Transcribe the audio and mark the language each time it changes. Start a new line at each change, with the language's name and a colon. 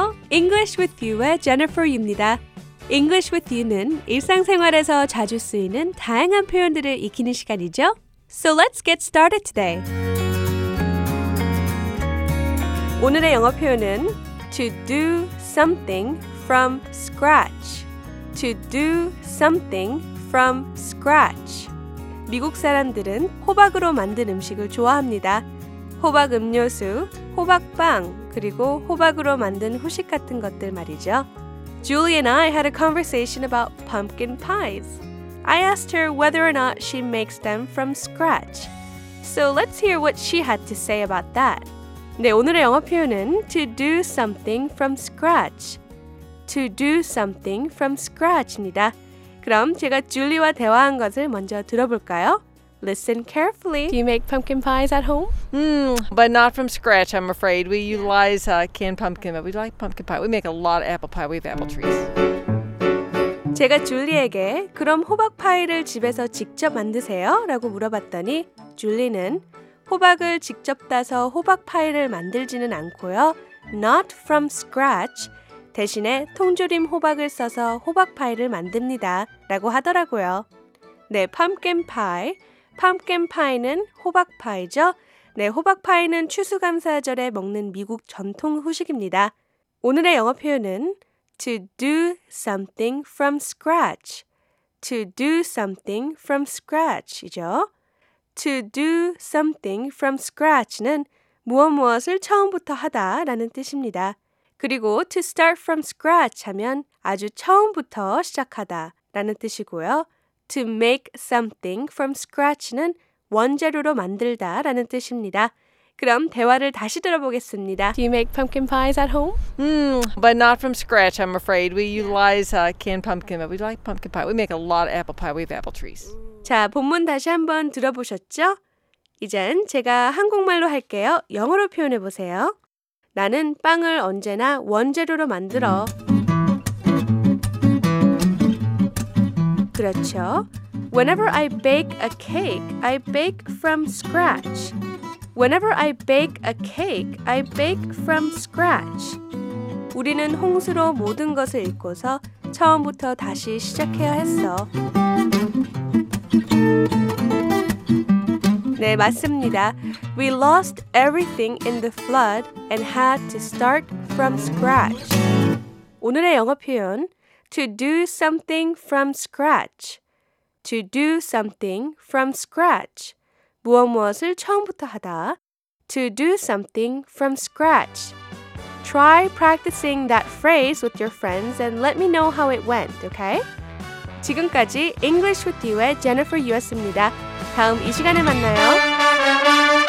Korean: English with you의 Jennifer입니다. English with you는 일상생활에서 자주 쓰이는 다양한 표현들을 익히는 시간이죠.
English: So let's get started today.
Korean: 오늘의 영어 표현은
English: to do something from scratch. To do something from scratch.
Korean: 미국 사람들은 호박으로 만든 음식을 좋아합니다. 호박 음료수, 호박빵, 그리고 호박으로 만든 후식 같은 것들 말이죠.
English: Julie and I had a conversation about pumpkin pies. I asked her whether or not she makes them from scratch. So let's hear what she had to say about that.
Korean: 네, 오늘의 영어 표현은
English: to do something from scratch. To do something from scratch입니다.
Korean: 그럼 제가 줄리와 대화한 것을 먼저 들어볼까요?
English: Listen carefully. Do you make pumpkin pies at home? But not from scratch, I'm afraid. We utilize canned pumpkin, but we like pumpkin pie. We make a lot of apple pie. We have apple trees.
Korean: 제가 줄리에게 그럼 호박 파이를 집에서 직접 만드세요? 라고 물어봤더니 줄리는 호박을 직접 따서 호박 파이를 만들지는 않고요.
English: Not from scratch.
Korean: 대신에 통조림 호박을 써서 호박 파이를 만듭니다. 라고 하더라고요. 네, 펌킨 파이. 펌킨 파이는 호박 파이죠. 네, 호박 파이는 추수감사절에 먹는 미국 전통 후식입니다. 오늘의 영어 표현은
English: to do something from scratch. To do something from scratch이죠. To do something from scratch는
Korean: 무엇무엇을 처음부터 하다라는 뜻입니다. 그리고
English: to start from scratch
Korean: 하면 아주 처음부터 시작하다 라는 뜻이고요.
English: To make something from scratch
Korean: 는 원재료로 만들다 라는 뜻입니다. 그럼 대화를 다시 들어보겠습니다.
English: Do you make pumpkin pies at home? But not from scratch, I'm afraid. We utilize canned pumpkin, but we like pumpkin pie. We make a lot of apple pie. We have apple trees.
Korean: 자, 본문 다시 한번 들어보셨죠? 이젠 제가 한국말로 할게요. 영어로 표현해 보세요. 나는 빵을 언제나 원재료로 만들어. 그렇죠.
English: Whenever I bake a cake, I bake from scratch. Whenever I bake a cake, I bake from scratch.
Korean: 우리는 홍수로 모든 것을 잃고서 처음부터 다시 시작해야 했어. 네, 맞습니다.
English: We lost everything in the flood and had to start from scratch.
Korean: 오늘의 영어 표현,
English: to do something from scratch. To do something from scratch.
Korean: 무엇무엇을 처음부터 하다.
English: To do something from scratch. Try practicing that phrase with your friends and let me know how it went, okay?
Korean: 지금까지 English with You의 Jennifer Yu였습니다. 다음 이 시간에 만나요.